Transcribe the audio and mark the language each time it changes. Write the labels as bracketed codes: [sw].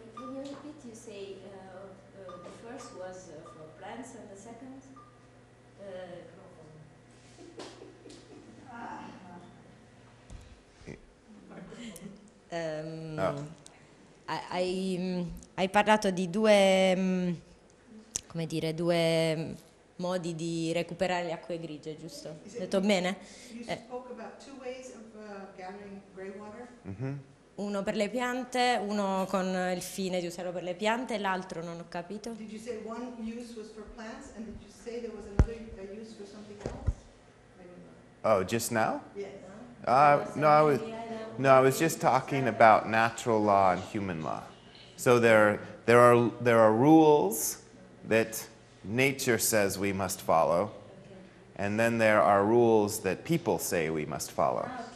[en] Can you repeat? You say the first was for plants, and the second, [it] hai parlato di due, come dire, due modi di recuperare le acque grigie, giusto? Ho detto bene? Uno per le piante, uno con il fine di usarlo per le piante, l'altro non ho capito. [en] Did you say one use was for plants and did you say there was another use for something else? Oh, just now? Yeah. I was just talking about natural law and human law. So there are rules that nature says we must follow, and then there are rules that people say we must follow.